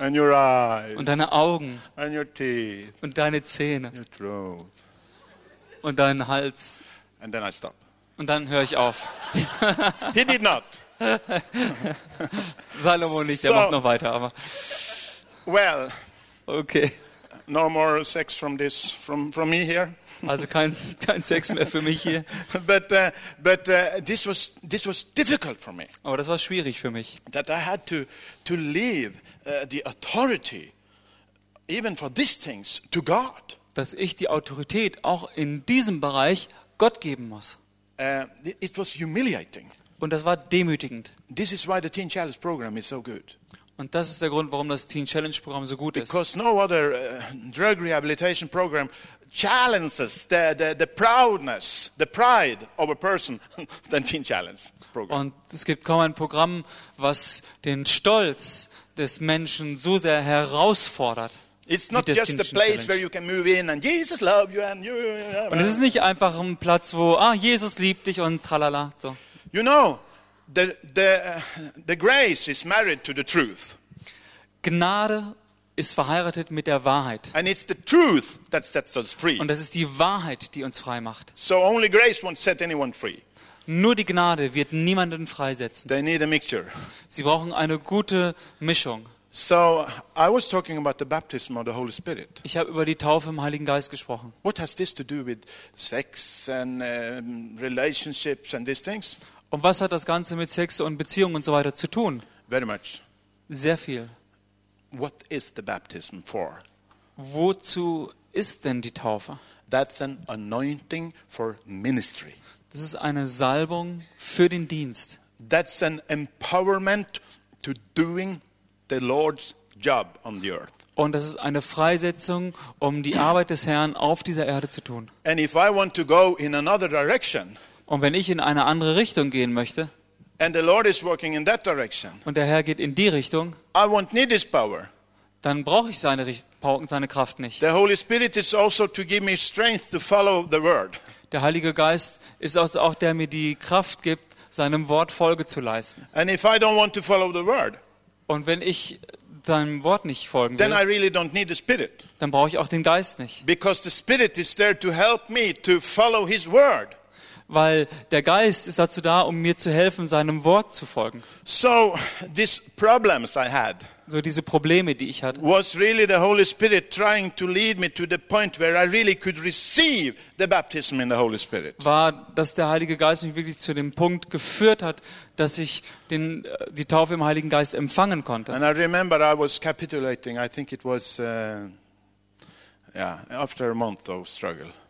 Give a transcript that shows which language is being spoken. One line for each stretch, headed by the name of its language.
English: And your eyes.
German: Und deine Augen.
English: And your teeth.
German: Und deine Zähne.
English: Your throat.
German: Und deinen Hals.
English: And then I stop.
German: Und dann höre ich auf.
English: He did not.
German: Salomo nicht, der so, macht noch weiter, aber.
English: Well.
German: Okay.
English: No more sex from this, from me here.
German: Also kein Sex mehr für mich hier.
English: But this was difficult for me.
German: Aber das war schwierig für mich.
English: That I had to leave the authority, even for these things, to God.
German: Dass ich die Autorität auch in diesem Bereich Gott geben muss.
English: It was humiliating.
German: Und das war demütigend.
English: This is why the Teen Challenge program is so good.
German: Und das ist der Grund, warum das Teen Challenge Programm so gut ist.
English: Because no other drug rehabilitation program challenges the proudness, the pride of a person than Teen Challenge program.
German: Und es gibt kaum ein Programm, was den Stolz des Menschen so sehr herausfordert.
English: It's not just a place where you can move in and Jesus love you and you.
German: Und es ist nicht einfach ein Platz, wo Jesus liebt dich und tralala so.
English: You know, the grace is married to the truth.
German: Gnade ist verheiratet mit der Wahrheit.
English: And it's the truth that sets us free.
German: Und das ist die Wahrheit, die uns frei macht.
English: So only grace won't set anyone free.
German: Nur die Gnade wird niemanden freisetzen.
English: They need a mixture.
German: Sie brauchen eine gute Mischung.
English: So I was talking about the baptism of the Holy Spirit.
German: Ich habe über die Taufe im Heiligen Geist gesprochen.
English: What has this to do with sex and relationships and these things?
German: Und was hat das Ganze mit Sex und Beziehungen und so weiter zu tun?
English: Very much.
German: Sehr viel.
English: What is the baptism for?
German: Wozu ist denn die Taufe?
English: That's an anointing for ministry.
German: Das ist eine Salbung für den Dienst.
English: That's an empowerment to doing the Lord's job on the earth.
German: Und das ist eine Freisetzung, um die Arbeit des Herrn auf dieser Erde zu tun.
English: And if I want to go in another direction.
German: Und wenn ich in eine andere Richtung gehen möchte,
English: and the Lord is working in that direction,
German: und der Herr geht in die Richtung,
English: I won't need his power.
German: Dann brauche ich seine Kraft nicht.
English: The Holy Spirit is also to give me strength to follow the word.
German: Der Heilige Geist ist also auch der, mir die Kraft gibt, seinem Wort Folge zu leisten.
English: And if I don't want to follow the word,
German: und wenn ich seinem Wort nicht folgen will,
English: then I really don't need the Spirit.
German: Dann brauche ich auch den Geist nicht.
English: Because the Spirit is there to help me to follow his word.
German: Weil der Geist ist dazu da, um mir zu helfen, seinem Wort zu folgen.
English: So, these problems I had,
German: so diese Probleme, die ich hatte,
English: was really the Holy Spirit trying to lead me to the point where I really could receive the baptism in the Holy Spirit.
German: War, dass der Heilige Geist mich wirklich zu dem Punkt geführt hat, dass ich die Taufe im Heiligen Geist empfangen konnte.
English: And I remember I was capitulating. I think it was after a month of struggle.